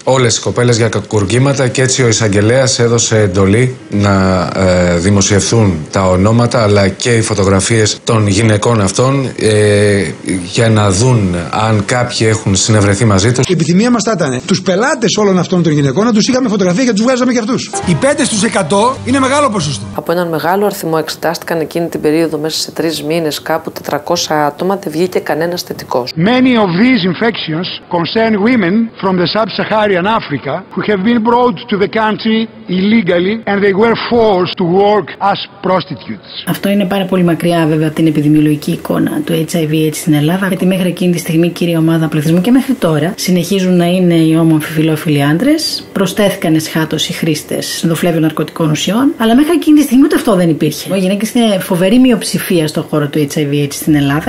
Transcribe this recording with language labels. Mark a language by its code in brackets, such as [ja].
[el] Όλες οι κοπέλες για κακουργήματα και έτσι ο εισαγγελέας έδωσε εντολή να δημοσιευθούν τα ονόματα αλλά και οι φωτογραφίες των γυναικών αυτών για να δουν αν κάποιοι έχουν συνευρεθεί μαζί τους. Η επιθυμία μας ήταν τους πελάτες όλων αυτών των γυναικών να τους είχαμε φωτογραφίες. Και τους βγάζαμε και αυτούς. Οι 5% είναι μεγάλο ποσοστό. Από έναν μεγάλο αριθμό εξετάστηκαν εκείνη την περίοδο μέσα σε 3 μήνες κάπου 400 άτομα, δεν βγήκε κανένας θετικός. [en] Many of these infections concern women from the sub-Saharan Africa who have been brought to the country illegally and they were forced to work as prostitutes. [el] Αυτό είναι πάρα πολύ μακριά βέβαια από την επιδημιολογική εικόνα του HIV/AIDS στην Ελλάδα, γιατί μέχρι εκείνη τη στιγμή κύρια ομάδα πληθυσμού και μέχρι τώρα συνεχίζουν να είναι οι ομοφιλόφιλοι άντρες. Προστέθηκαν εσχάτως οι χρήστες συνδοφλέβιων ναρκωτικών ουσιών, αλλά μέχρι εκείνη τη στιγμή ούτε αυτό δεν υπήρχε. Οι γυναίκες είναι φοβερή μειοψηφία στον χώρο του HIV/AIDS στην Ελλάδα.